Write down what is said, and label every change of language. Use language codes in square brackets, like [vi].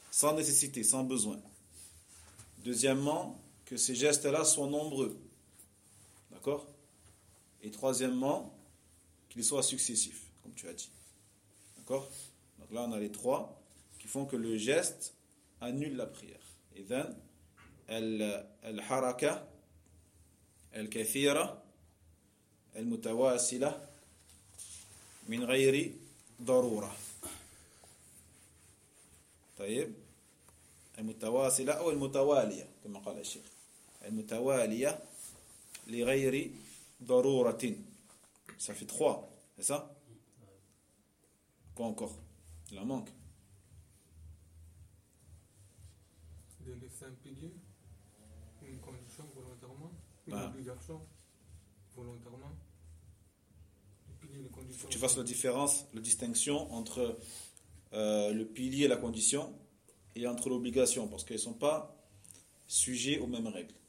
[fr] Sans nécessité, sans besoin. Deuxièmement, que ces gestes-là soient nombreux. D'accord? Et troisièmement, qu'ils soient successifs, comme tu as dit. D'accord? Donc là, on a les trois qui font que le geste annule la prière. [ar] إذن الحركة الكثيرة المتواصلة من غير ضرورة طيب المتواصلة أو المتوالية كما قال الشيخ المتوالية لغير ضرورة [fr] ça fait trois c'est ça quoi encore il en manque de laisser un pilier, une condition volontairement, une obligation volontairement. Le pilier, les conditions. Faut que tu fasses la différence, la distinction entre le pilier et la condition et entre l'obligation, parce qu'elles ne sont pas sujets aux mêmes règles.